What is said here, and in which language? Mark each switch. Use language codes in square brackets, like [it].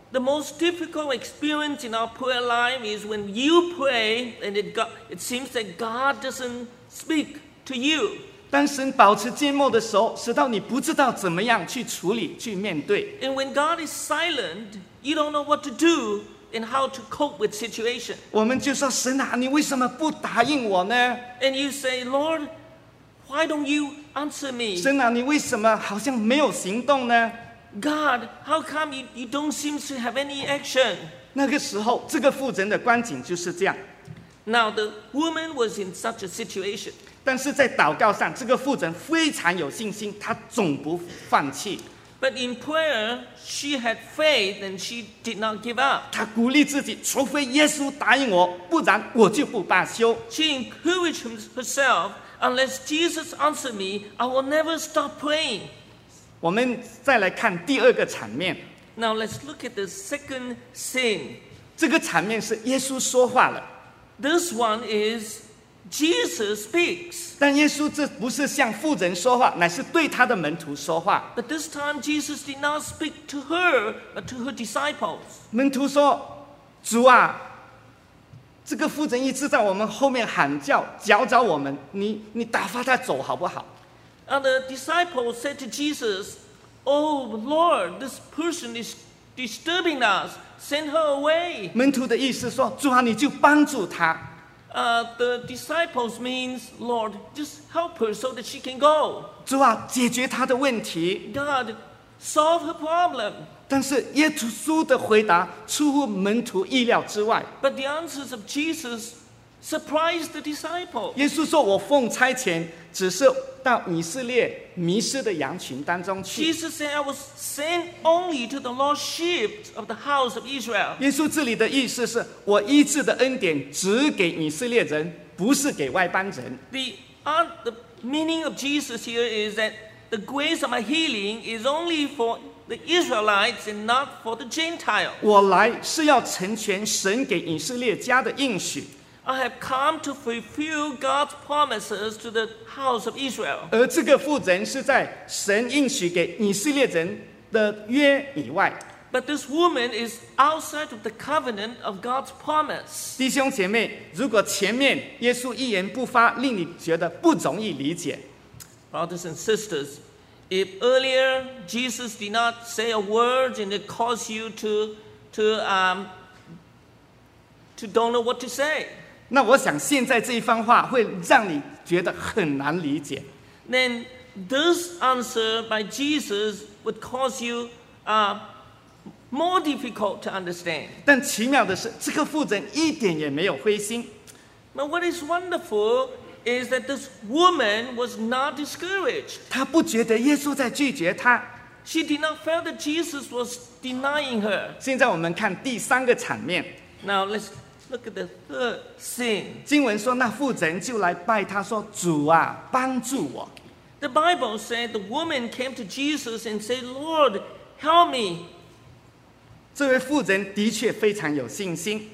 [en] The most difficult experience in our prayer life is when you pray and it seems that God doesn't speak to you. [zh] 当神保持缄默的时候，使到你不知道怎么样去处理、去面对。 [en] And when God is silent, you don't know what to do and how to cope with situation. [zh] 我们就说，神啊，你为什么不答应我呢？ [en] And you say, Lord, why don't you answer me? [zh] 神啊，你为什么好像没有行动呢？ [en] God, how come you don't seem to have any action? [zh] 那个时候，这个妇人的光景就是这样。 [en] Now the woman was in such a situation. [zh] 但是在祷告上，这个妇人非常有信心，她总不放弃。 [en] But in prayer, she had faith and she did not give up. [zh] 她鼓励自己，除非耶稣答应我，不然我就不罢休。 [en] She encouraged herself, unless Jesus answers me, I will never stop praying. [zh] 我们再来看第二个场面。 [en] Now let's look at the second scene. [zh] 这个场面是耶稣说话了。 [en] This one is. Jesus speaks. [zh] 但耶稣这不是向妇人说话，乃是对他的门徒说话。 [en] But this time Jesus did not speak to her, but to her disciples. [zh] 门徒说：“主啊，这个妇人一直在我们后面喊叫，搅扰我们。你打发他走好不好 [en] ？”And the disciples said to Jesus, "Oh Lord, this person is disturbing us. Send her away." [zh] 门徒的意思说：“主啊，你就帮助他。” [en] The disciples means, Lord, just help her so that she can go. [zh] 主啊，解决她的问题。 [en] God, solve her problem. [zh] 但是耶稣的回答出乎门徒意料之外。 [en] But the answers of Jesus surprised the disciples. [zh] 耶稣说，我奉差遣只是到以色列迷失的羊群当中去。 [en] Jesus said, I was sent only to the lost sheep of the house of Israel. [zh] 耶稣这里的意思是，我医治的恩典只给以色列人，不是给外邦人。 [en] The meaning of Jesus here is that the grace of my healing is only for the Israelites and not for the Gentiles. [zh] 我来是要成全神给以色列家的应许。 [en] I have come to fulfill God's promises to the house of Israel. [zh] 而这个妇人是在神应许给以色列人的约以外。 [en] But this woman is outside of the covenant of God's promise. [zh] 弟兄姐妹，如果前面耶稣一言不发，令你觉得不容易理解。 [en] Brothers and sisters, if earlier Jesus did not say a word and it caused you to don't know what to say. [zh] 那我想现在这一番话会让你觉得很难理解。 [en] Then this answer by Jesus would cause you more difficult to understand. [zh] 但奇妙的是，这个妇人一点也没有灰心。 [en] But what is wonderful is that this woman was not discouraged. [zh] 她不觉得耶稣在拒绝她。 [en] She did not feel that Jesus was denying her. [zh] 现在我们看第三个场面。 [en] Now let's look at the third scene. [zh] 经文说，那妇人就来拜他说：“主啊，帮助我。” [en] The Bible said the woman came to Jesus and said, "Lord, help me." [zh] 这位妇人的确非常有信心。